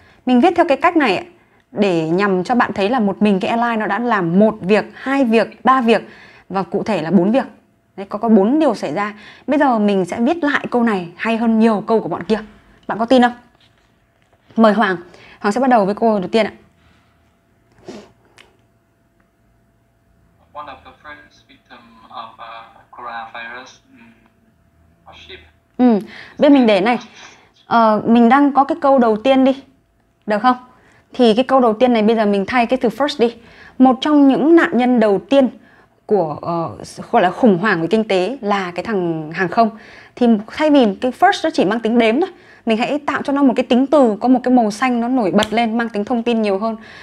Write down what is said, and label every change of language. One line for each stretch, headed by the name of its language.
Vietnamese: Mình viết theo cái cách này để nhằm cho bạn thấy là một mình cái airline nó đã làm một việc, hai việc, ba việc và cụ thể là bốn việc. Đấy, có bốn điều xảy ra. Bây giờ mình sẽ viết lại câu này hay hơn nhiều câu của bọn kia. Bạn có tin không? Mời Hoàng. Hoàng sẽ bắt đầu với cô đầu tiên ạ.
English: One of the first victim of coronavirus a ship.
Vietnamese: Ừ, bên mình để này. Mình đang có cái câu đầu tiên đi. Được không? Thì cái câu đầu tiên này bây giờ mình thay cái từ first đi. Một trong những nạn nhân đầu tiên của gọi là khủng hoảng về kinh tế là cái thằng hàng không. Thì thay vì cái first nó chỉ mang tính đếm thôi, mình hãy tạo cho nó một cái tính từ có một cái màu xanh nó nổi bật lên, mang tính thông tin nhiều hơn.